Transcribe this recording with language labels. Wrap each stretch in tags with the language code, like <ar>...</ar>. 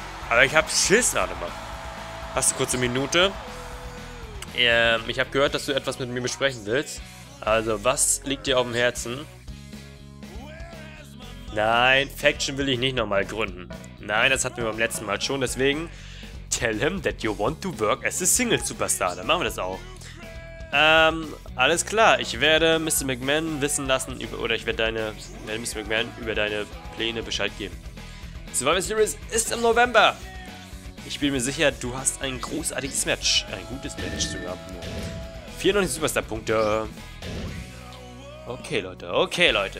<de>Aber ich hab Schiss, Adama. Hast du kurze Minute? Ich habe gehört, dass du etwas mit mir besprechen willst. Also, was liegt dir auf dem Herzen? Nein, Faction will ich nicht nochmal gründen. Nein, das hatten wir beim letzten Mal schon. Deswegen,</de> <en>tell him that you want to work as a single superstar.</en> <de>Dann machen wir das auch. Alles klar. Ich werde Mr. McMahon wissen lassen, werde Mr. McMahon über deine Pläne Bescheid geben. Survivor Series ist im November. Ich bin mir sicher, du hast ein großartiges Match. Ein gutes Match sogar. 94 Superstar-Punkte. Okay, Leute. Okay, Leute.</de>